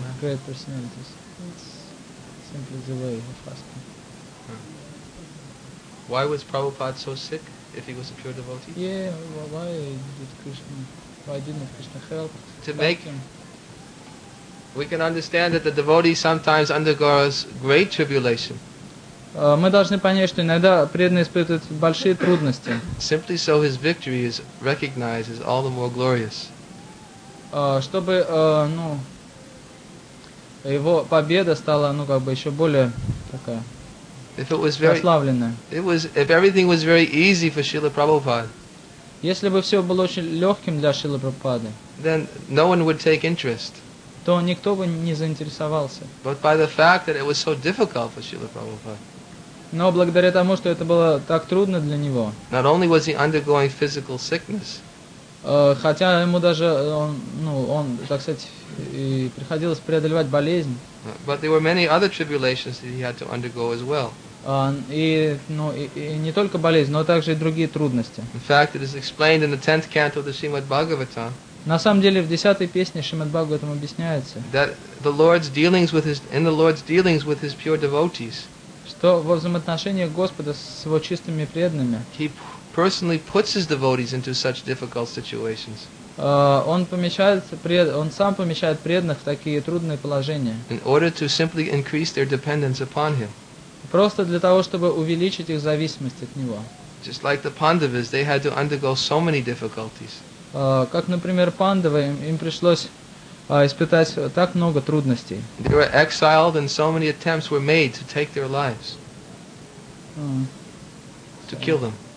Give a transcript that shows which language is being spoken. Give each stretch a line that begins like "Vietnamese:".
English: know, great personalities. It's simply the way of asking. Huh. Why was Prabhupada so sick if he was a pure devotee? Yeah, well, why did Krishna... Why didn't Krishna help? To make him. We can understand that the devotee sometimes undergoes great tribulation.
Russian: Мы должны понять, что иногда преданный испытывает большие трудности.
English: Simply so his victory is recognized as all the more glorious.
Russian: Чтобы его победа стала еще более такая.
English: If it was very. If everything was very easy for Srila Prabhupada.
Russian: Если бы все было очень легким для Шрилы Прабхупады,
English: then no one would take interest.
Russian: То никто бы не заинтересовался.
English: But by the fact that it was so difficult for Srila Prabhupada.
Russian: Но благодаря тому, что это было так трудно для него.
English: Not only was he undergoing physical sickness.
Russian: Хотя ему даже он так сказать и приходилось преодолевать болезнь.
English: But there were many other tribulations that he had to undergo as well.
Russian: И не только болезнь, но также и другие трудности.
English: In fact, it is explained in the 10th canto of the Srimad Bhagavatam.
Russian: На самом деле, в 10-й песне Шримад Бхагаватам объясняется.
English: That the Lord's dealings with his in the Lord's dealings with his pure devotees.
Russian: Что во взаимоотношениях Господа с его чистыми преданными.
English: He personally puts his devotees into such difficult situations.
Russian: Он сам помещает преданных в такие трудные положения.
English: In order to simply increase their dependence upon him.
Russian: Просто для того, чтобы увеличить их зависимость от него.
English: Just like the Pandavas, they had to undergo so many difficulties.
Russian: Как, например, Пандавы, им пришлось испытать так много трудностей.
English: They were exiled, and so many attempts were made to take their lives, to kill them.